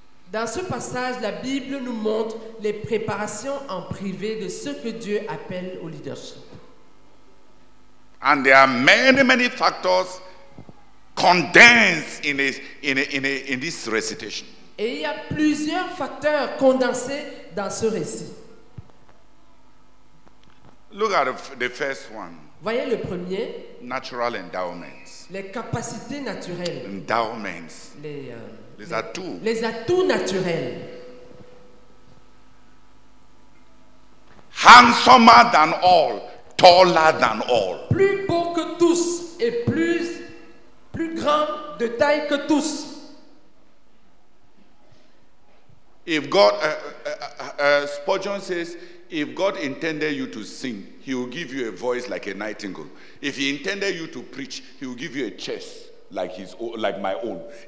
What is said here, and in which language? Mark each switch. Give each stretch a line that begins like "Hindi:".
French: Dans ce passage, la Bible nous montre les préparations en privé de ce que Dieu appelle au leadership.
English: And there are many, many factors condensed in this recitation.
French: Et il y a plusieurs facteurs condensés dans ce récit.
English: Look at the first one.
French: Voyez le premier.
English: Natural endowments.
French: Les capacités naturelles.
English: Endowments.
French: Les atouts. Les atouts naturels.
English: Handsomer than all, taller than all.
French: Plus beau que tous et plus grand de taille que tous.
English: If God, Spurgeon says, if God intended you to sing, he will give you a voice like a nightingale. If he intended you to preach, he will give you a chest like my own.